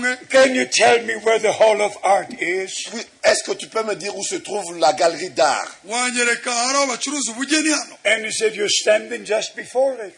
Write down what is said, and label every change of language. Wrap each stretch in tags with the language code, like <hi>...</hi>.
<en>can you tell me where the hall of art is?</en> <fr>Oui, est-ce que tu peux me dire où se trouve la galerie d'art?</fr> <en>And he said, you're standing just before it.</en>